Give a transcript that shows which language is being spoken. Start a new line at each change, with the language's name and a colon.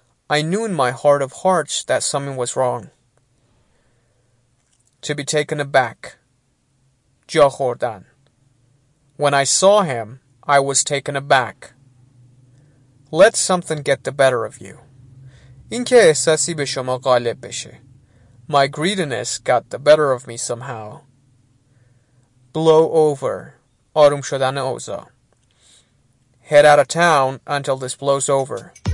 English: I knew in my heart of hearts that something was wrong. To be taken aback.
Persian: جا خوردن.
English: When I saw him, I was taken aback. Let something get the better of you.
Persian: اینکه احساسی به شما غالب بشه.
English: My greediness got the better of me somehow. Blow over.
Persian: آروم شدن اوزا.
English: Head out of town until this blows over.